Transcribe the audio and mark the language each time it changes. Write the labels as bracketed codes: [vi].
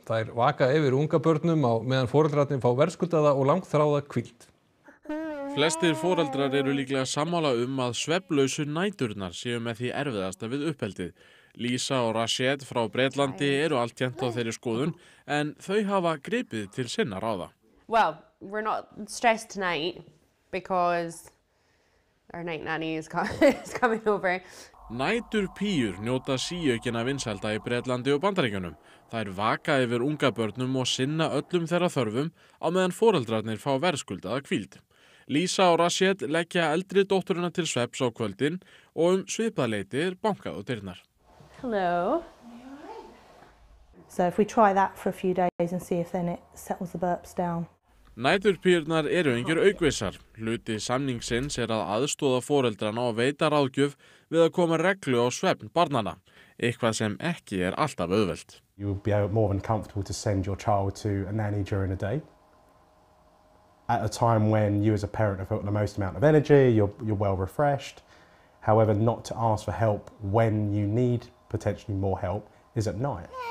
[is] Þær vaka yfir unga börnum á meðan foreldrarnir fá verðskuldaða og langþráða hvíld. Flestir foreldrar eru líklega sammála að svefnlausu næturnar séu með því erfiðasta við uppheldið. Lisa og Rashid frá Bretlandi eru altjent á þeirri skoðun en þau hafa gripið til sinna ráða. [en] Well, we're not stressed tonight because our night nanny is coming over. [is] Nætur píur njóta síaukina vinsælda í Bretlandi og Bandaríkjunum. Þær vaka yfir unga börnum og sinna öllum þeirra þörfum á meðan foreldrarnir fá verðskuldaða hvíld. Lisa og Rashid leggja eldri dótturina til svefns á kvöldin og svipaðleiti bankað á dyrnar. [en] Hello. So if we try that for a few days and see if then it settles the burps down. [is] Næturpíurnar eru engir aukvisar. Hluti samningsins er að aðstoða foreldrana og veita ráðgjöf við að koma reglu á svefn barnana. Eitthvað sem ekki er alltaf auðvelt. [en] You would be more than comfortable to send your child to a nanny during the day. At a time when you as a parent have felt the most amount of energy, you're well refreshed. However, not to ask for help when you need potentially more help is at night.